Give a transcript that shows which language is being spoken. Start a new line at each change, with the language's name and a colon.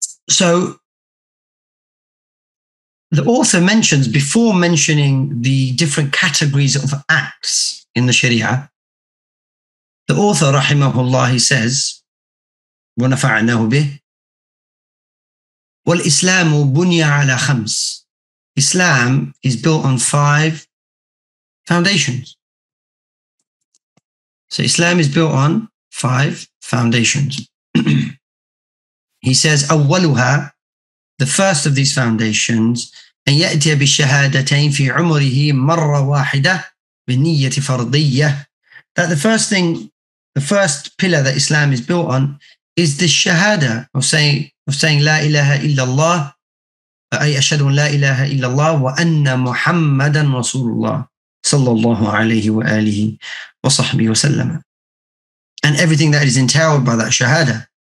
English: So the author mentions, before mentioning the different categories of acts in the Sharia, the author, rahimahullah, he says,
Arabic: وَنَفَعَنَهُ بِهِ وَالْإِسْلَامُ بُنْيَ عَلَى خَمْسِ.
English: Islam is built on five foundations. So Islam is built on five foundations. He says,
Arabic: أَوَّلُهَا,
English: the first of these foundations,
Arabic: أَنْ يَأْتِيَ بِالشَّهَادَتَيْنِ فِي عُمُرِهِ مَرَّ وَاحِدَةً بِنِيَّةِ فَرْضِيَّةِ.
English: That the first thing, the first pillar that Islam is built on is the shahada of saying la ilaha illallah, ay ashhadu la ilaha illallah wa anna muhammadan rasulullah sallallahu alayhi wa alihi wa sahbihi wa sallam, and everything that is entailed by that shahada.